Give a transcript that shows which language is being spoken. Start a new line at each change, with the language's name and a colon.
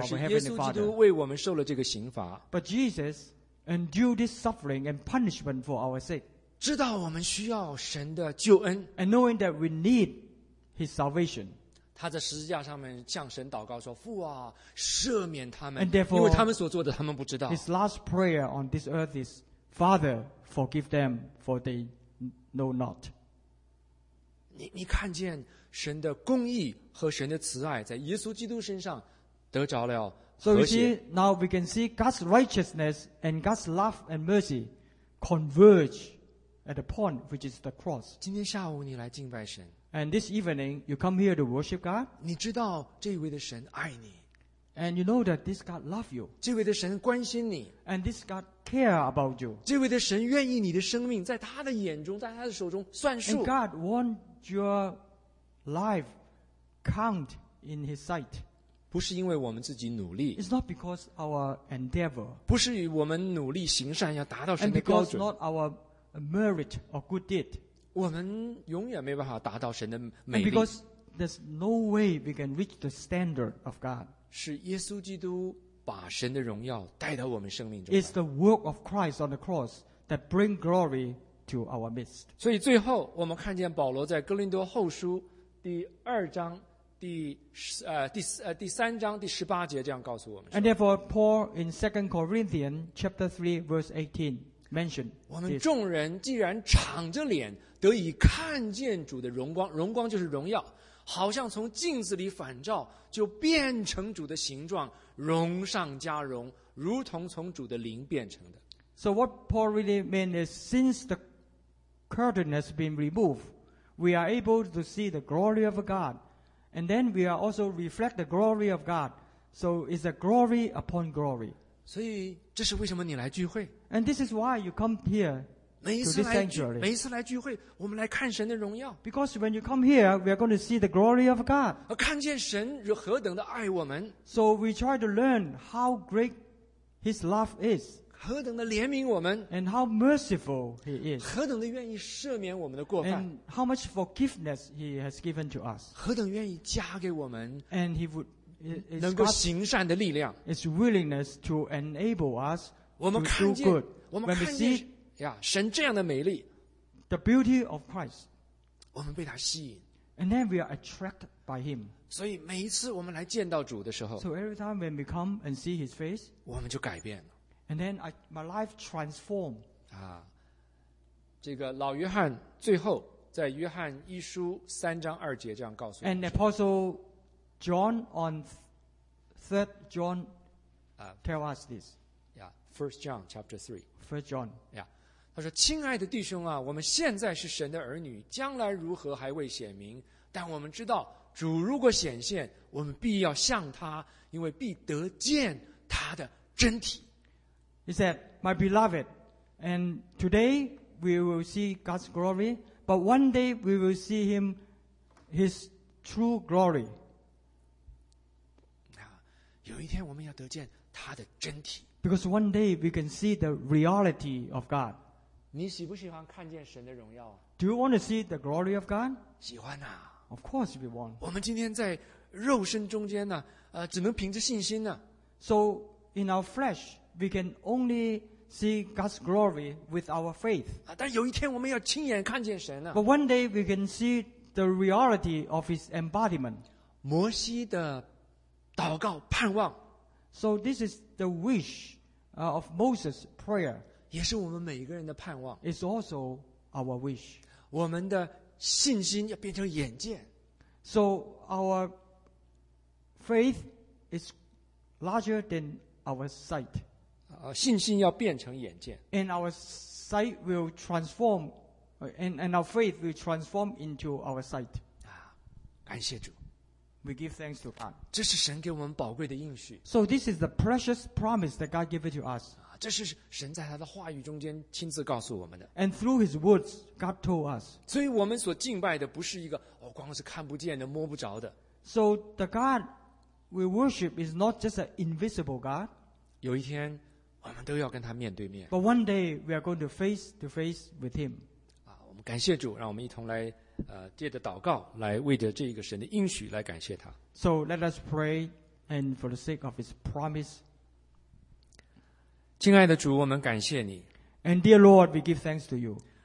Chinese: 可是耶稣基督为我们受了这个刑罚。
English: But Jesus endured this suffering and punishment for our sake.
Chinese: 知道我们需要神的救恩
English: ，and knowing that we need His salvation，
Chinese: 他在十字架上面向神祷告说：“父啊，赦免他们。
English: ”And therefore，
Chinese: 因为他们所做的，他们不知道。
English: His last prayer on this earth is, "Father, forgive them, for they know not."
Chinese: 你看见神的公义和神的慈爱在耶稣基督身上得着了和谐。
English: So you see, now we can see God's righteousness and God's love and mercy converge. At the point which is the cross.
Chinese: 今天下午你来敬拜神。
English: And this evening, you come here to worship God.
Chinese: 你知道这位的神爱你。
English: And you know that this God loves you.
Chinese: 这位的神关心你。
English: And this God cares about you.
Chinese: 这位的神愿意你的生命在他的眼中，在他的手中算数。
English: And God wants your life count in His sight.
Chinese: 不是因为我们自己努力。
English: It's not because our endeavor.
Chinese: 不是与我们努力行善要达到神的标准。
English: And because not our merit or good deed.
Chinese: 我们永远没办法达到神的美丽。
English: And because there's no way we can reach the standard of God.
Chinese: 是耶稣基督把神的荣耀带到我们生命中来。
English: It's the work of Christ on the cross that bring glory to our midst.
Chinese: 所以最后我们看见保罗在哥林多后书第二章第三章第十八节这样告诉我们。
English: And therefore Paul in 2 Corinthians chapter 3 verse 18. Mention
Chinese: 我们众人既然敞着脸得以看见主的荣光，荣光就是荣耀，好像从镜子里反照，就变成主的形状，荣上加荣，如同从主的灵变成的。
English: So what Paul really meant is, since the curtain has been removed, we are able to see the glory of God, and then we are also reflect the glory of God. So it's a glory upon glory.
Chinese: 所以这是为什么你来聚会。
English: And this is why you come here to this sanctuary.
Chinese: 每一次来聚会，我们来看神的荣耀。
English: Because when you come here, we are going to see the glory of God.
Chinese: 看见神何等的爱我们。
English: So we try to learn how great His love is.
Chinese: 何等的怜悯我们。
English: And how merciful He is.
Chinese: 何等的愿意赦免我们的过犯。
English: And how much forgiveness He has given to us.
Chinese: 何等愿意加给我们。
English: And He would
Chinese: 能够行善的力量。
English: It's willingness to enable us to do good.
Chinese: 我们看见，我们看见呀，神这样的美丽。
English: The beauty of Christ.
Chinese: 我们被他吸引。
English: And then we are attracted by him.
Chinese: 所以每一次我们来见到主的时候。
English: So every time when we come and see his face.
Chinese: 我们就改变了。
English: And then my life transformed.
Chinese: 啊，这个老约翰最后在约翰一书三章二节这样告诉我们。
English: And Apostle. John on 3rd John tell us this. Yeah, 1st John chapter 3. 1st John. Yeah.
Chinese: 他说亲爱的弟兄啊，我们现在是神的儿女，将来如何还未显明，但我们知道主如果显现，我们必要像他，因为必得见他的真体。
English: He said, "My beloved, and today we will see God's glory, but one day we will see Him, His true glory."
Chinese: 有一天我们要得见他的真体。
English: Because one day we can see the reality of God.
Chinese: 你喜不喜欢看见神的荣耀啊？
English: Do you want to see the glory of God?
Chinese: 喜欢啊。
English: Of course we want.
Chinese: 我们今天在肉身中间呢， 只能凭着信心呢。
English: So in our flesh, we can only see God's glory with our faith.
Chinese: 但有一天我们要亲眼看见神啊。
English: But one day we can see the reality of His embodiment.
Chinese: 摩西的祷告盼望。
English: So this is the wish of Moses' prayer.
Chinese: 也是我们每一个人的盼望。
English: It's also our wish.
Chinese: 我们的信心要变成眼见。
English: So our faith is larger than our sight.
Chinese: 信心要变成眼见。
English: And our sight will transform, and our faith will transform into our sight.
Chinese: 感谢主。
English: We give thanks to God.
Chinese: 这是神给我们宝贵的应许。
English: So this is the precious promise that God gave it to us.
Chinese: 这是神在他的话语中间亲自告诉我们的。
English: And through His words, God told us.
Chinese: 所以我们所敬拜的不是一个 光是看不见的摸不着的。
English: So the God we worship is not just an invisible God.
Chinese: 有一天我们都要跟他面对面。
English: But one day we are going to face to face with Him.
Chinese: 我们感谢主，让我们一同来。借着祷告来为着这个神的应许来感谢他。
English: So let us pray and for the sake of His promise.
Chinese: 亲爱的主，我们感谢你。
English: And dear Lord, we give thanks to you.